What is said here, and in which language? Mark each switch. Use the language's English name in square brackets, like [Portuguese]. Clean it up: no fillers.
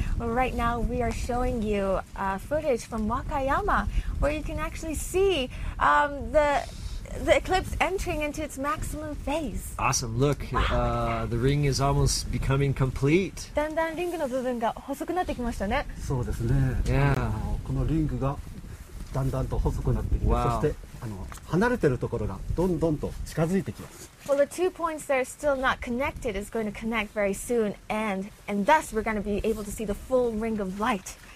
[English] Well, right now we are showing you footage from Wakayama where you can actually see the eclipse entering into its maximum phase. Awesome. Look, the ring is almost becoming complete. [Japanese] だんだんリングの部分が細くなってきましたね。そうですね。このリングがだんだんと細くなってきて、そして離れてるところがどんどんと近づいてきます。 [English] Well, the two points that are still not connected is going to connect very soon, and thus we're going to be able to see the full ring of light.